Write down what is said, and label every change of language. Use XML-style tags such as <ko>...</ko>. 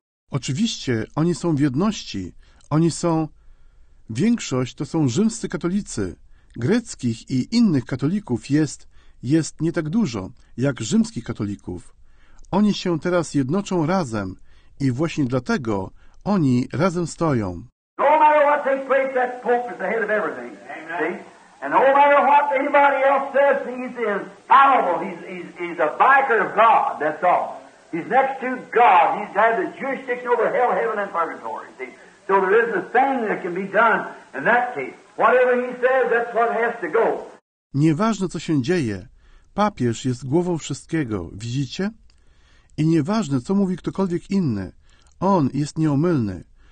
<pl>Oczywiście, oni są w jedności, oni są... Większość to są rzymscy katolicy. Greckich i innych katolików jest nie tak dużo, jak rzymskich katolików. Oni się teraz jednoczą razem i właśnie dlatego oni razem stoją.</pl> <en>No matter what they place, that Pope is the head of everything. See? And no matter what anybody else says, he's infallible. He's a vicar of God, that's all. He's next to God. He's had the jurisdiction over hell, heaven, and purgatory. See? So there isn't a thing that can be done in that case. Whatever he says, that's what has to go.</en> <pl>Nieważne, co się dzieje, papież jest głową wszystkiego, widzicie? I nieważne, co mówi ktokolwiek inny, on jest nieomylny.</pl>